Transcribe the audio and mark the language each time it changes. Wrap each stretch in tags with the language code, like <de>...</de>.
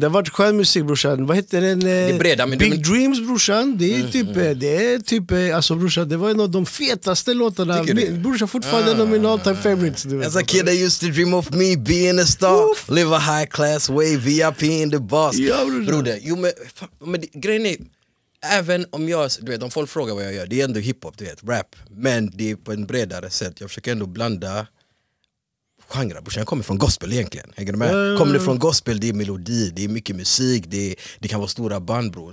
<sv>Det har varit skön musik, brorsan. Vad heter den? Det är breda, men Big Dreams, brorsan. Det är typ, alltså brorsan, det var en av de fetaste låtarna. Brorsan, fortfarande en av mina</sv> <en>all time favorites.</en> <sv>Du vet.</sv> <en>As a kid, I used to dream of me being a star. Oof. Live a high class way, VIP in the boss.</en> <sv>Ja, brorsan. Broder, jo, men grejen är, även om jag, du vet, om folk frågar vad jag gör, det är ändå hiphop, du vet, rap. Men det är på en bredare sätt. Jag försöker ändå blanda genrer. Brorsan, jag kommer från gospel egentligen. Hänger du med? Kommer du från gospel, det är melodi, det är mycket musik, det kan vara stora band, bro.</sv>